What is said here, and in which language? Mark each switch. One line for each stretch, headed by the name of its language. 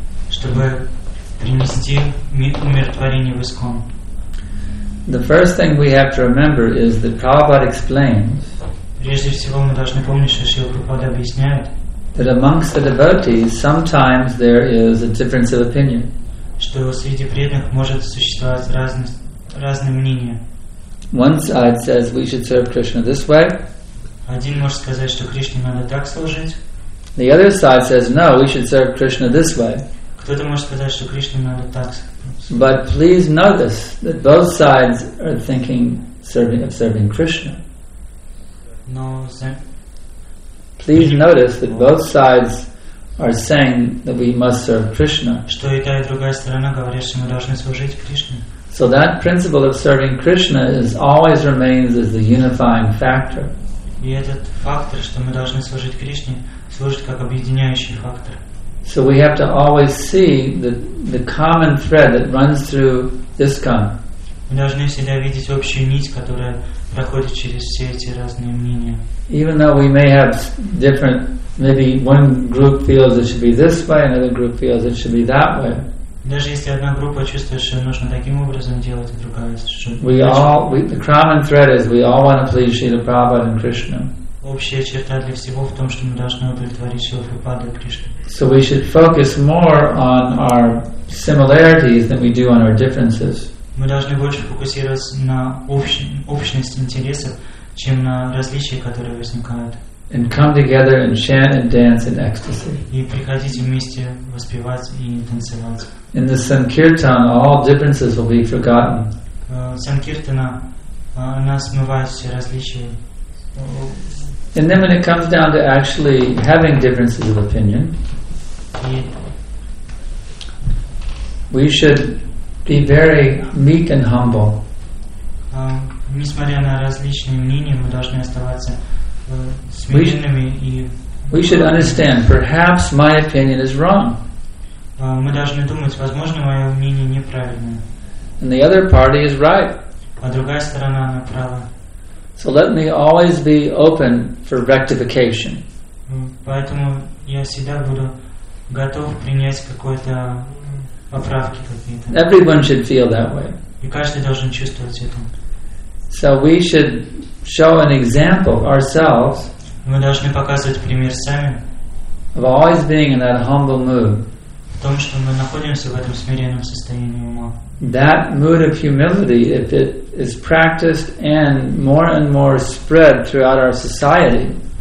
Russian: Чтобы принести умиротворение в ISKCON.
English: The first thing we have to remember is that Prabhupada explains.
Russian: Прежде всего мы должны помнить, что Шрила Прабхупада объясняет.
English: That amongst the devotees, sometimes there is a difference of opinion.
Russian: Что среди преданных может существовать разные мнения.
English: One side says we should serve Krishna this way.
Russian: Один может сказать, что Кришне надо так служить.
English: The other side says no, we should serve Krishna this way.
Russian: Кто-то может сказать, что Кришне надо так служить.
English: But please notice that both sides are thinking of serving Krishna. No, please notice that both sides are saying that we must serve Krishna.
Russian: Что и та, и другая сторона говорят, что мы должны служить Кришне.
English: So that principle of serving Krishna always remains as the unifying factor.
Russian: И этот фактор, что мы должны служить Кришне, служит как объединяющий фактор.
English: So we have to always see the common thread that runs through ISKCON.
Russian: Мы должны всегда видеть общую нить, которая проходит через все эти разные мнения.
English: Even though we may have different, maybe one group feels it should be this way, another group feels it should be that way.
Russian: Даже если одна группа чувствует, что нужно таким образом делать, другая, что
English: The common thread is we all want to please Srila Prabhupada and Krishna.
Russian: Общая черта для всего в том, что мы должны удовлетворить Шрилу Прабхупаду и Кришну.
English: So we should focus more on our similarities than we do on our differences.
Russian: Мы должны больше фокусироваться на общности интересов, чем на различия, которые возникают.
English: And come together and chant and dance in ecstasy.
Russian: И приходите вместе воспевать и танцевать.
English: In the Sankirtan, all differences will be forgotten.
Russian: Sankirtana, она смывает все различия.
English: And then when it comes down to actually having differences of opinion, we should be very meek and humble.
Russian: Несмотря на различные мнения, мы должны оставаться
English: We should understand. Perhaps my opinion is wrong.
Russian: Мы должны думать, возможно, мое мнение неправильное.
English: And the other party is right.
Russian: А другая сторона она права.
English: So let me always be open for rectification.
Russian: Поэтому я всегда буду готов принять какое-то поправки какие-то.
English: Everyone should feel that way.
Russian: И каждый должен чувствовать это.
English: So we should show an example ourselves.
Russian: Мы должны показывать пример сами.
English: Of always being in that humble mood.
Russian: В том, что мы находимся в этом смиренном состоянии ума.
English: That mood of humility, if it is practiced and more spread throughout our society.